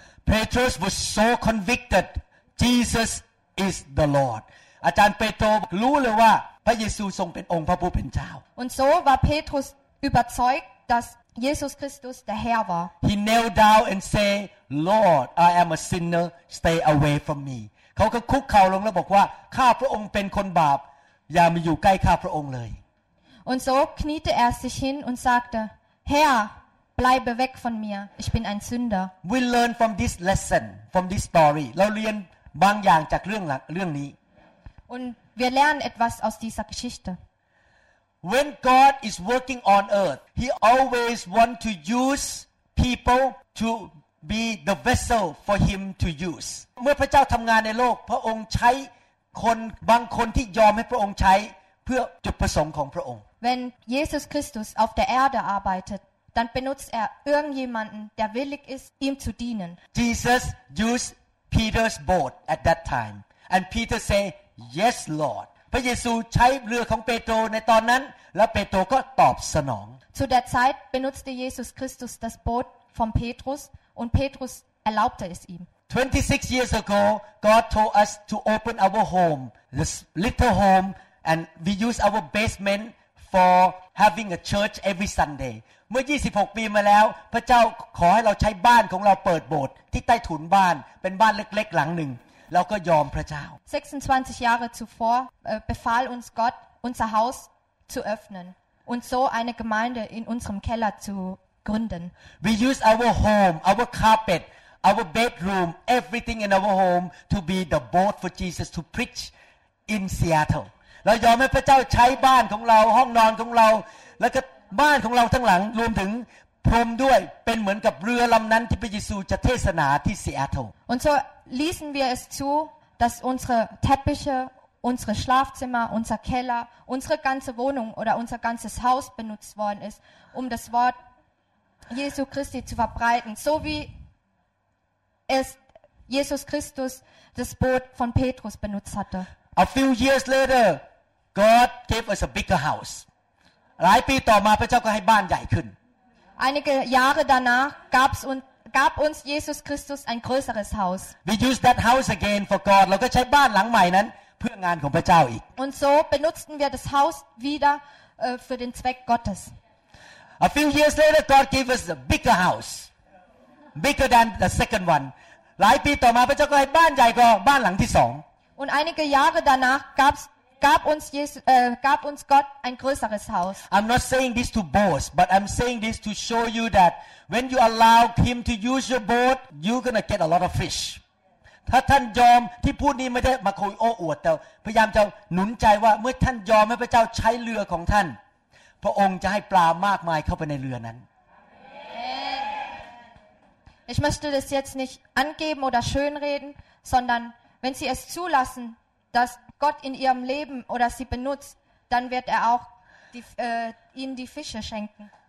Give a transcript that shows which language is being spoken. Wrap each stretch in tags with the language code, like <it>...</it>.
<en>Petrus was so convicted. Jesus is the Lord.</en> <th>อาจารย์เปโตรรู้เลยว่าพระเยซูทรงเป็นองค์พระผู้เป็นเจ้า</th> <de>Und so war Petrus überzeugt, dass Jesus Christus der Herr war.</de> <en>He knelt down and said, "Lord, I am a sinner. Stay away from me."</en> <th>เขาก็คุกเข่าลงแล้วบอกว่าข้าพระองค์เป็นคนบาปอย่ามาอยู่ใกล้ข้าพระองค์เลย</th> <de>Und so kniete sich hin und sagte Herr bleibe weg von mir ich bin ein Sünder</de> <en>We learn from this lesson from this story</en> <th>เราเรียนบางอย่างจากเรื่องนี้</th> <de>Und wir lernen etwas aus dieser Geschichte</de> <en>When God is working on earth he always want to use people to be the vessel for him to use</en> <th>เมื่อพระเจ้าทำงานในโลกพระองค์ใช้คนบางคนที่ยอมให้พระองค์ใช้เพื่อจุดประสงค์ของพระองค์</th> <de>When Jesus Christus auf der Erde arbeitet, dann benutzt irgendjemanden, der willig ist, ihm zu dienen.</de> <en>Jesus used Peter's boat at that time, and Peter said, "Yes, Lord."</en> <th>พระเยซูใช้เรือของเปโตรในตอนนั้นและเปโตรก็ตอบสนอง</th> <de>Zu der Zeit benutzte Jesus Christus das Boot von Petrus, und Petrus erlaubte es ihm.</de> <en>26 years ago, God told us to open our home, this little home, and we use our basement for having a church every Sunday.</en> <th>เมื่อ26ปีมาแล้วพระเจ้าขอให้เราใช้บ้านของเราเปิดโบสถ์ที่ใต้ถุนบ้านเป็นบ้านเล็กๆหลังหนึ่งเราก็ยอมพระเจ้า</th> <de>26 Jahre zuvor befahl uns Gott unser Haus zu öffnen und so eine Gemeinde in unserem Keller zu gründen.</de> <en>We use our home, our carpet. Our bedroom, everything in our home to be the boat for Jesus to preach in Seattle.</en> <th>เรายอมให้พระเจ้าใช้บ้านของเราห้องนอนของเราแล้วก็บ้านของเราทั้งหลังรวมถึงพรมด้วยเป็นเหมือนกับเรือลำนั้นที่พระเยซูจะเทศนาที่ Seattle.</th> <de>Und so ließen wir es zu, dass unsere Teppiche, unsere Schlafzimmer, unser Keller, unsere ganze Wohnung oder unser ganzes Haus benutzt worden ist, um das Wort Jesu Christi zu verbreiten, so wieas Jesus Christus das Boot von Petrus benutzt hatte.</de> <en>A few years later, God gave us a bigger house.</en> <th>หลายปีต่อมาพระเจ้าก็ให้บ้านใหญ่ขึ้น</th> <de>Einige Jahre danach gab uns Jesus Christus ein größeres Haus.</de> <en>We used that house again for God.</en> <th>เราก็ใช้บ้านหลังใหม่นั้นเพื่องานของพระเจ้าอีก</th> <de>Und so benutzten wir das Haus wiederfür den Zweck Gottes.</de> <en>A few years later, God gave us a bigger house. Bigger than the second one.</en> <th>หลายปีต่อมาพระเจ้าก็ให้บ้านใหญ่กว่าบ้านหลังที่สอง</th> <de>Und einige Jahre danach gab uns Gott ein größeres Haus.</de> <en>I'm not saying this to boast, but I'm saying this to show you that when you allow Him to use your boat, you're gonna get a lot of fish.</en> <th>ถ้าท่านยอมที่พูดนี้ไม่ได้มาคุยโอ้อวดแต่พยายามจะหนุนใจว่าเมื่อท่านยอมให้พระเจ้าใช้เรือของท่านพระองค์จะให้ปลามากมายเข้าไปในเรือนั้น</th> <de>Ich möchte das jetzt nicht angeben oder schönreden, sondern wenn Sie es zulassen, dass Gott in Ihrem Leben oder Sie benutzt, dann wird er auch Ihnen die Fische schenken.</de>